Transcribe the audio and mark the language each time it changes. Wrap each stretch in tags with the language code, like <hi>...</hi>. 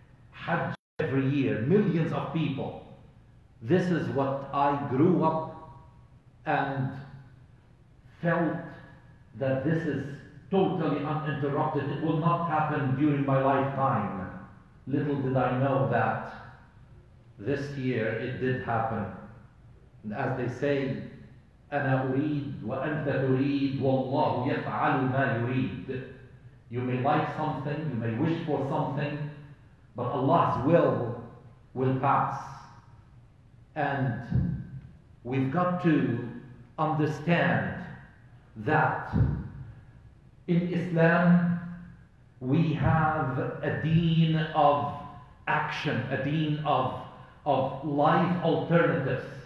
<en>Hajj every year, millions of people. This is what I grew up and felt, that this is totally uninterrupted. It will not happen during my lifetime. Little did I know that this year it did happen. And as they say,</en> <ar>أنا أريد وأنت تريد والله يفعل ما يريد.</ar> <en>You may like something, you may wish for something, but Allah's will pass. And we've got to understand that in Islam we have a deen of action, a deen of life alternatives.</en>